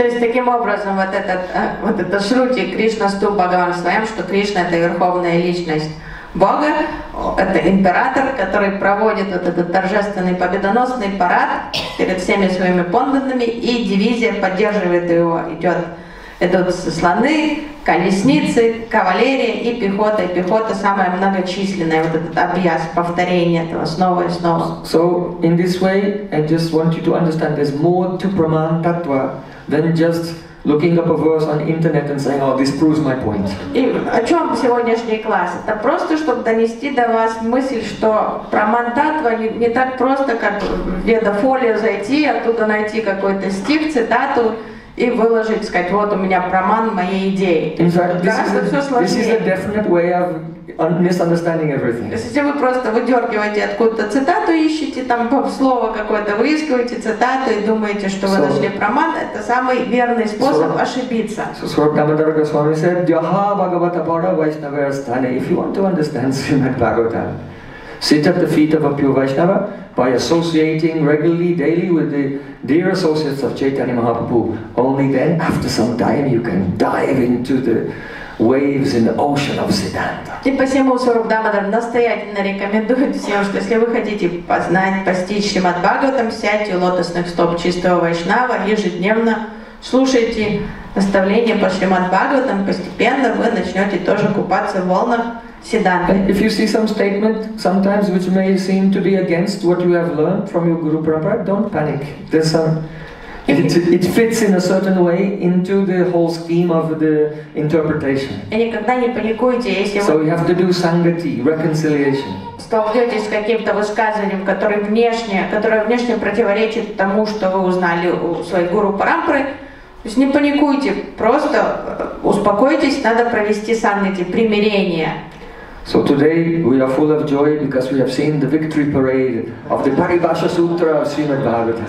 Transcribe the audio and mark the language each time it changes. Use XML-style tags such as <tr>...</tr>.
<ru>То есть таким образом вот это Шрути Кришна Сту Бхагаван Своем, что Кришна это верховная личность Бога, это император, который проводит вот этот торжественный победоносный парад перед всеми своими подданными, и дивизия поддерживает его, идут слоны, колесницы, кавалерия и пехота. И пехота самая многочисленная, вот этот абьяс, повторение этого снова и снова.</ru> <en>So in this way, I just want you to understand there's more to Praman Tattva than just looking up a verse on the internet and saying, oh, this proves my point.</en> <ru>И о чем сегодняшний класс? Это просто, чтобы донести до вас мысль, что Праман Таттва не так просто, как в Ведафолию зайти, оттуда найти какой-то стих, цитату, и выложить, сказать, вот у меня Праман моей идеи.</ru> <en>This is a definite way of misunderstanding everything.</en> <ru>Если вы просто выдергиваете откуда-то цитату, ищете там слово какое-то, выискиваете цитату и думаете, что вы нашли Праман, это самый верный способ ошибиться.</ru> <en>So Sri Ramadara Goswami said, Yaha Bhagavata Pada Vaishnava Sthane. If you want to understand Srimad Bhagavatam, sit at the feet of a pure Vaishnava by associating regularly, daily with the dear associates of Chaitanya Mahaprabhu. Only then, after some time, you can dive into the waves in the ocean of Siddhanta.</en> <ru>И посему Сурабдамадар настоятельно рекомендует всем, что если вы хотите познать, постичь Шримад Бхагаватам, сядьте у лотосных стоп чистого Вайшнава, ежедневно слушайте наставления по Шримад Бхагаватам, постепенно вы начнете тоже купаться в волнах Siddhanta.</ru> <en>If you see some statement sometimes which may seem to be against what you have learned from your Guru Prabhupada, don't panic. There's some it fits in a certain way into the whole scheme of the interpretation.</en> <ru>И никогда не паникуйте, если</ru> <en>so you have to do sangati, reconciliation.</en> <ru>Столкнетесь с каким-то высказыванием, которое внешне противоречит тому, что вы узнали у своей Гуру Парампры. То есть не паникуйте, просто успокойтесь, надо провести сангати, примирение.</ru> <en>So today we are full of joy because we have seen the victory parade of the Paribhasha Sutra of Srimad Bhagavatam.</en>